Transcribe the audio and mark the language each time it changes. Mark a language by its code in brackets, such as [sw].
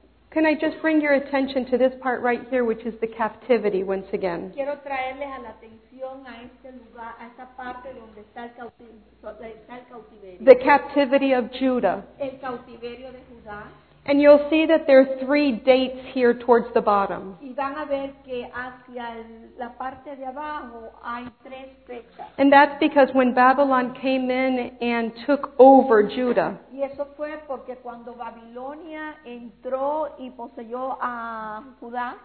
[en] Can I just bring your attention to this part right here, which is the captivity once again? [es] Quiero traerles a la atención a este lugar, a esta parte donde está el cautiverio. [en] The captivity of Judah. [es] El cautiverio de Judá. [en] And you'll see that there are three dates here towards the bottom. [es] Y van a ver que hacia la parte de abajo hay tres fechas. [en] And that's because when Babylon came in and took over Judah. [es] Y eso fue porque cuando Babilonia entró y poseyó a Judá.